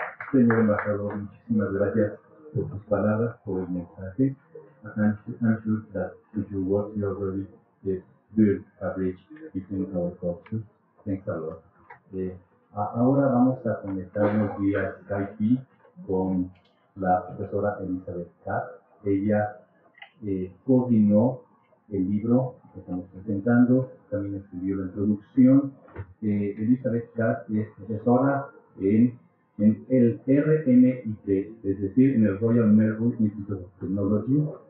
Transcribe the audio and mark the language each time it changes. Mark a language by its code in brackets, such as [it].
[es] Señor embajador, muchísimas gracias por tus palabras, por el mensaje. [en] I'm sure that with your work you already build a bridge between our cultures. Thanks a lot. [es] Ahora vamos a conectarnos vía Skype con la profesora Elizabeth Katz. Ella coordinó el libro que estamos presentando, también escribió la introducción. Elizabeth Katz es profesora en el RMIT, es decir, en el Royal Melbourne Institute of Technology.